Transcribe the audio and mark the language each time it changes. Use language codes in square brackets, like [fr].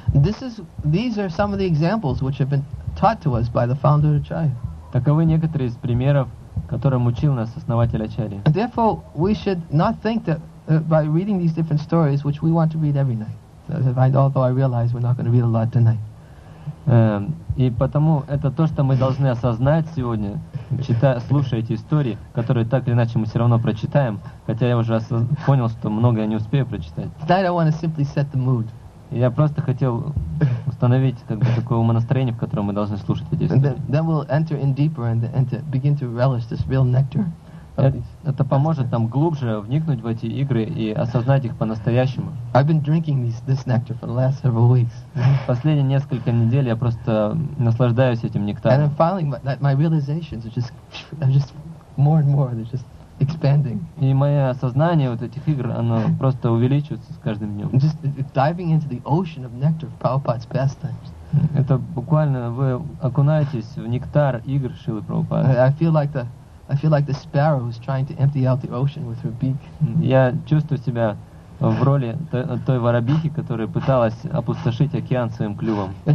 [en] These are some of the examples which have been taught to us by the founder Acharya. [ru] Таковы некоторые из примеров, которым учил нас основатель Ачарья. [en] Therefore, we should not think that by reading these different stories, which we want to read every night, although I realize we're not going to read a lot tonight. [ru] И потому это то, что мы должны осознать сегодня, читая, слушая эти истории, которые так или иначе мы все равно прочитаем, хотя я уже понял, что многое не успею прочитать. [en] Tonight I want to simply set the mood. [ru] Я просто хотел установить как бы такое умонастроение, в котором мы должны слушать эти истории. [en] Then we'll enter in deeper and begin to relish this real nectar. [ru] Это поможет нам глубже вникнуть в эти игры и осознать их по-настоящему. [en] I've been drinking this nectar for the last several weeks. [ru] Последние несколько недель я просто наслаждаюсь этим нектаром. [en] And I'm finding my realizations are just more and more, they're just expanding. [ru] И мое осознание вот этих игр, оно просто увеличивается с каждым днем. [en] Just diving into the ocean of nectar of Prabhupada's pastimes. [ru] Это буквально вы окунаетесь в нектар игр Шилы Прабхупады. [en] I feel like the sparrow is trying to empty out the ocean with her beak. [ru] Я чувствую себя в роли той воробьихи, которая пыталась опустошить океан своим клювом.